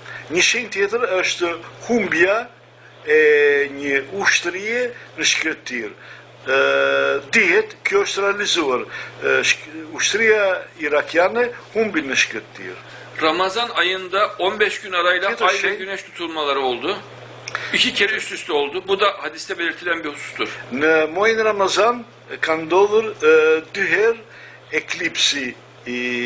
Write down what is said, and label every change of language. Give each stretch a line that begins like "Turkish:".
Albanian: Një shenjë tjetër është humbja e një ushtrie në shkretir. Dihet, kjo është realizuar. Ushtria irakiane humbi në shkretir.
Turkish: Ramazan ayında 15 gün arayla ay ve güneş tutulmaları oldu. İki kere üst üste oldu. Bu da hadiste belirtilen bir husustur.
Albanian: Në muajin Ramazan kanë ndodhur dy herë eklipsi i